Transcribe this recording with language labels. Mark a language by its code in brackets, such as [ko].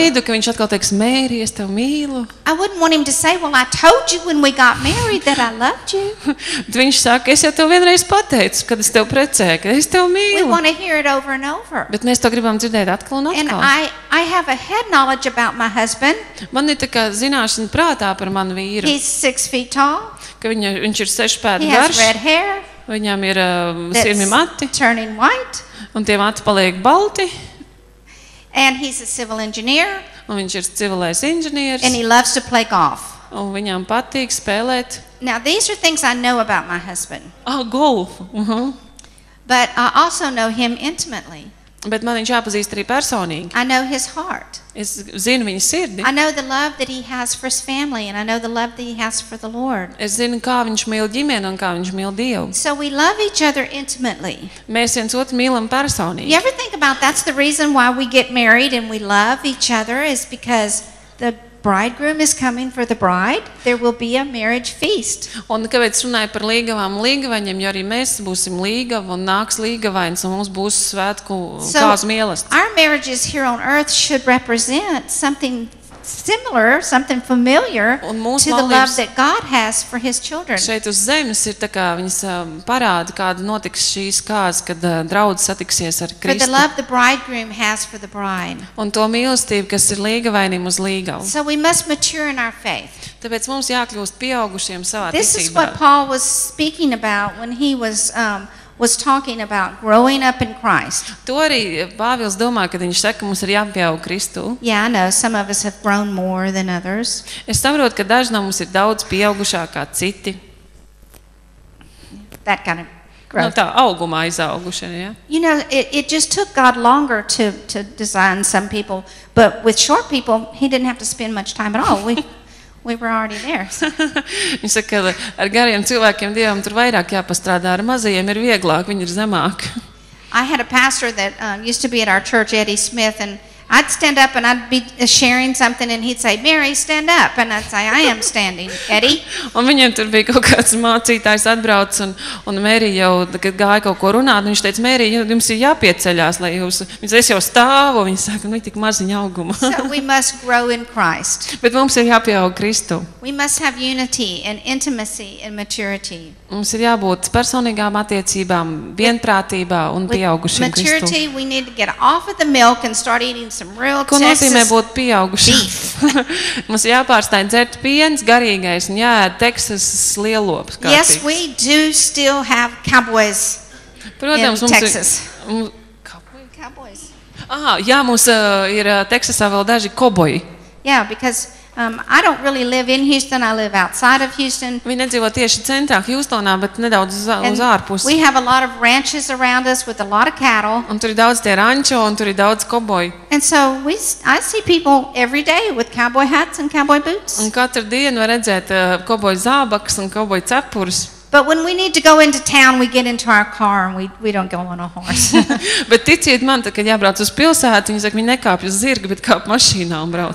[lv] Es, gaidu, ka viņš atkal teiks, Mary, es tevi mīlu. [en] I wouldn't want him to say, well, I told you when we got married that I loved you. [lv] Bet viņš saka, es jau tev vienreiz pateicu, kad es tev precēju, ka es tevi mīlu. [en] We want to hear it over and over. [lv] Bet mēs to gribam dzirdēt atkal un atkal. [en] And I have a head knowledge about my husband. [lv] Man ir tā kā zināšana prātā par manu vīru. [en] He's 6 feet tall. [lv] Ka viņš ir 6 pēdu garš. [en] He has red hair. [lv] Viņam ir sirmi mati. [en] Turning white. [lv] Un tie mati paliek balti. [en] And he's a civil engineer. [lv] Un viņš ir civilais inženieris. [en] And he loves to play golf. [lv] Un viņam patīk spēlēt. [en] Now these are things I know about my husband. Oh, golf. But I also know him intimately. [lv] Bet man viņš jāpazīst arī personīgi. [en] I know his heart. [lv] Es zinu viņa sirdi. [en] I know the love that he has for his family and I know the love that he has for the Lord. [lv] Es zinu, kā viņš mīl ģimeni un kā viņš mīl Dievu. [en] So we love each other intimately. [lv] Mēs viens otru mīlam personīgi. [en] You ever think about that's the reason why we get married and we love each other is because the bridegroom is coming for the bride, there will be a marriage feast. [lv] Un kāpēc runāju par līgavām, līgavaņiem, jo arī mēs būsim līgava un nāks līgavains un mums būs svētku kāzu mielasti. [en] Our marriages here on earth should represent something similar, something familiar to the love that God has for his children. [lv] Šeit uz zemes ir tā kā viņas parāda, kāda notiks šīs kāzas, kad draudz satiksies ar Kristu. [en] For the love the bridegroom has for the bride. [lv] Un to mīlestību, kas ir līgavainim uz līgavu. [en] So we must mature in our faith. [lv] Tāpēc mums jākļūst pieaugušiem savā ticībā. [en] This is what Paul was speaking about when he was talking about growing up in Christ. [lv] To arī Pāvils domā, kad viņš saka, mums ir jāpieaug Kristu. [en] Yeah, I know, some of us have grown more than others. [lv] Es saprotu, ka daži no mums ir daudz pieaugušākā citi. [en] That kind of growth. [lv] No, tā augumā izaugušana, ja? [en] You know, it just took God longer to design some people, but with short people, he didn't have to spend much time at all. We were already there. [lv] Viņš saka, ka ar gariem cilvēkiem Dievam tur vairāk jāpastrādā, ar mazajiem ir vieglāk, viņi ir zemāk. [en] I had a pastor that used to be at our church, Eddie Smith, and I'd stand up and I'd be sharing something and he'd say, Mary, stand up. And I'd say, I am standing, Eddie. [lv] Un viņam tur bija kaut kāds mācītājs atbrauc un Mary jau, kad gāja kaut ko runāt, viņš teica, Mary, jums ir jāpieceļās, lai jūs, es jau stāvu. Viņš saka, nu, tik maziņa auguma. [en] So we must grow in Christ. [lv] Bet mums ir jāpieaug Kristu. [en] We must have unity and intimacy and maturity. [lv] Mums ir jābūt personīgām attiecībām, vienprātībā un pieaugušiem Kristu. [en] Maturity, we need to get off of the milk and start eating some real [lv] Ko nozīmē būt pieaugušam? Mums jāpārstāj dzert piens garīgais un jāēd Texas lielops kārtīgs. [en] Yes, we do still have cowboys. [lv] Protams, [en] in Texas. Cowboys. [lv] Ah, jā, mums ir Texasā vēl daži koboji. [en] Yeah, because I don't really live in Houston, I live outside of Houston. [lv] Viņi nedzīvo tieši centrā Houstonā, bet nedaudz uz ārpusi. [en] We have a lot of ranches around us with a lot of cattle. [lv] Un tur ir daudz tie rančo un tur ir daudz koboju. [en] And so I see people every day with cowboy hats and cowboy boots. [lv] Un katru dienu var redzēt koboju zābakus un koboju cepurus. [en] But when we need to go into town, we get into our car and we don't go on a horse. [lv] Bet ticiet man, tad, kad jābrauc uz pilsētu, viņi saka, viņi nekāp uz zirga, bet kāp mašīnā un brauc.